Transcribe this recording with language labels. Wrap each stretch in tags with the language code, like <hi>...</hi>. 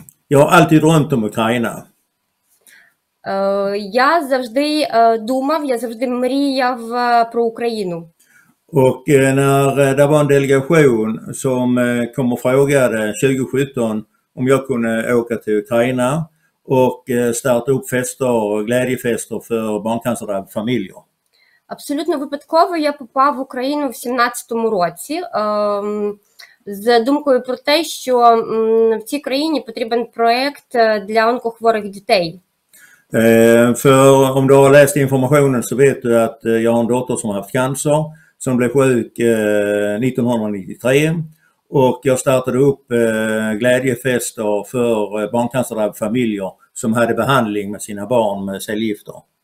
<sv>Jag har alltid drömt om Ukraina.</sv> <uk>Я завжди думав, я завжди мріяв про Україну.</uk> <sv>Och när det var en delegation som kom och frågade 2017 om jag kunde åka till Ukraina och starta upp fester och glädjefester för barncancerdrabbade familjer.</sv> <uk>Абсолютно випадково я попав в Україну в 17-му році, з думкою про те, що в цій країні потрібен проєкт для онкохворих дітей.</uk> <sv>För om du har läst informationen så vet du att jag har en dotter som har haft cancer, som blev sjuk 1993 och jag startade upp glädjefester för barncancerdrabbade familjer som hade behandling med sina barn med cellgifter.</sv>